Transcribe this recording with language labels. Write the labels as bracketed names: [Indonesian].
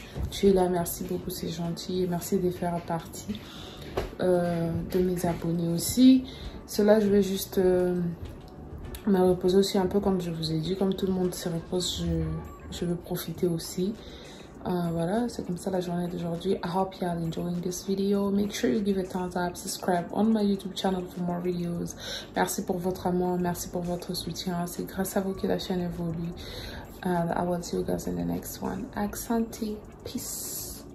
[French] Tu es là, merci beaucoup, c'est gentil. Merci de faire partie de mes abonnés aussi. Cela, je vais juste... me reposer aussi un peu comme je vous ai dit, comme tout le monde se repose, je veux profiter aussi. Voilà, c'est comme ça la journée d'aujourd'hui. [English] I hope you are enjoying this video. Make sure you give a thumbs up, subscribe on my YouTube channel for more videos. [French] Merci pour votre amour, merci pour votre soutien. C'est grâce à vous que la chaîne évolue. [English] And I will see you guys in the next one. [French] Accenti, peace.